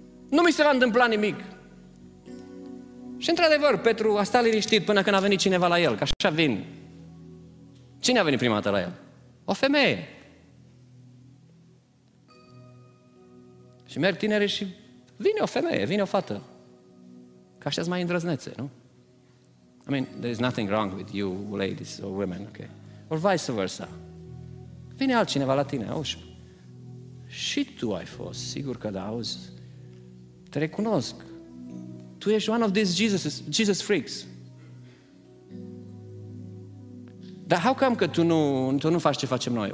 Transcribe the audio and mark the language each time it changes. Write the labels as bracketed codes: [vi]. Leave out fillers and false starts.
[ro] Nu mi se va întâmpla nimic. Și într-adevăr, Petru a stat liniștit până când a venit cineva la el, că așa vin. Cine a venit prima dată la el? O femeie. Și merg tineri și vine o femeie, vine o fată. Că așa-s mai îndrăznețe, nu? [en] I mean, there is nothing wrong with you ladies or women, okay? [ro] Or vice versa. Vine altcineva la tine, auzi. Și tu ai fost, sigur că da, auzi. Te recunosc. Tu ești [en] one of these Jesus freaks. [ro] Dar [en] how come [ro] că tu nu faci ce facem noi?